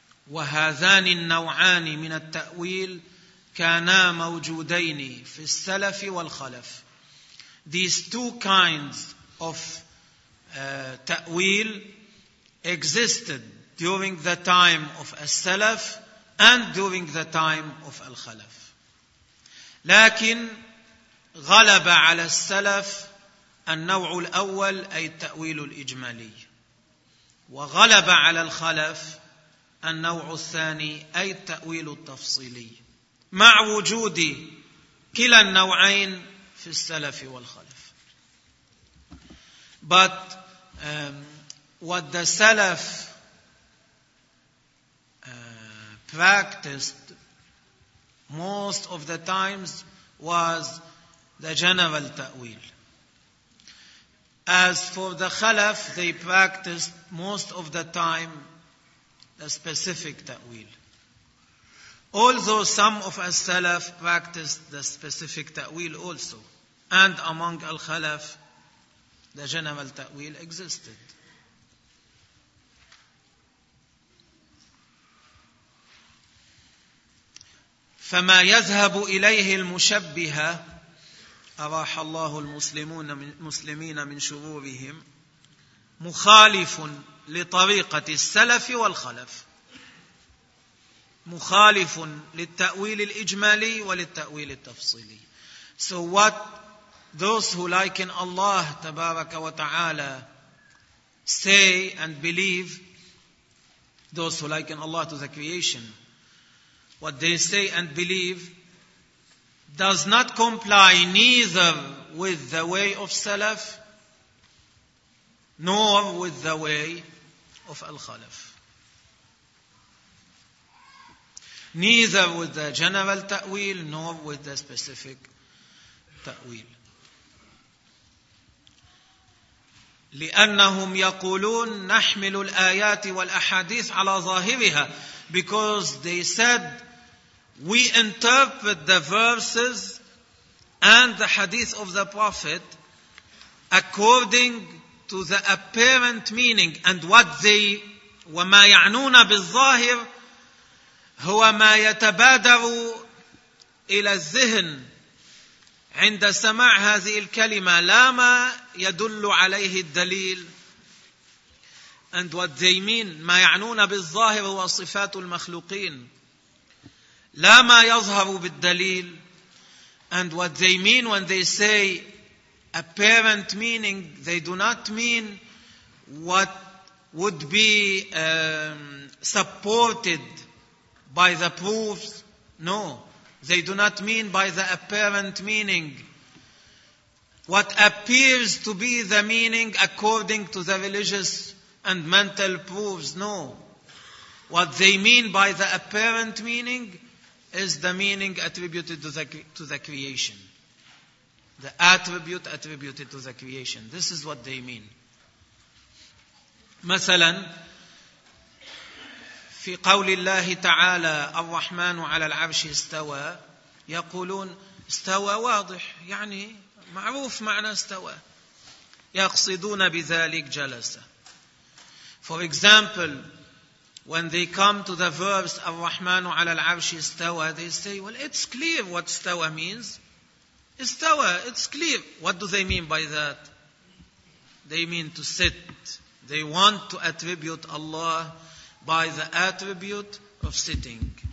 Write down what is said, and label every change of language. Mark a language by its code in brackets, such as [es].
[ar] وهذان النوعان من التأويل كانا موجودين في السلف والخلف. [en] These two kinds of ta'wil existed during the time of as-salaf and during the time of al-khalaf. [ar] لكن غلب على السلف النوع الأول أي التأويل الإجمالي وغلب على الخلف النوع الثاني أي التأويل التفصيلي مع وجود كلا النوعين في السلف والخلف. [en] But what the Salaf practiced most of the times was the general ta'wil. As for the khalaf, they practiced most of the time the specific ta'wil. Although some of the salaf practiced the specific ta'wil also, and among al-khalaf, the general ta'wil existed. [ar] فما يذهب إليه المشبهة أراح الله المسلمون المسلمين من شرورهم مخالف لطريقة السلف والخلف مخالف للتأويل الإجمالي وللتأويل التفصيلي. [en] So what those who like in Allah [ar] تبارك وتعالى [en] say and believe, those who like in Allah to the creation, what they say and believe does not comply neither with the way of Salaf nor with the way of Al-Khalaf. Neither with the general ta'wil nor with the specific ta'wil. [ar] لأنهم يقولون نحمل الآيات والأحاديث على ظاهرها. [en] Because they said, we interpret the verses and the hadith of the Prophet according to the apparent meaning and what they [ar] وما يعنون بالظاهر هو ما يتبادر إلى الذهن عند سماع هذه الكلمة لا ما يدل عليه الدليل. [en] And what they mean, [ar] ما يعنون بالظاهر هو صفات المخلوقين لا ما يظهر بالدليل. [en] And what they mean when they say apparent meaning, they do not mean what would be supported by the proofs. No, they do not mean by the apparent meaning what appears to be the meaning according to the religious and mental proofs. No, what they mean by the apparent meaning is the meaning attributed to the creation. The attribute attributed to the creation. This is what they mean. [ar] مثلا في قول الله تعالى الرحمن على العرش استوى يقولون استوى واضح يعني معروف معنى استوى يقصدون بذلك جلس. [en] For example, when they come to the verse [ar] الرحمن على العرش استوى, [en] they say, well, it's clear what استوى means. استوى, it's clear. What do they mean by that? They mean to sit. They want to attribute Allah by the attribute of sitting.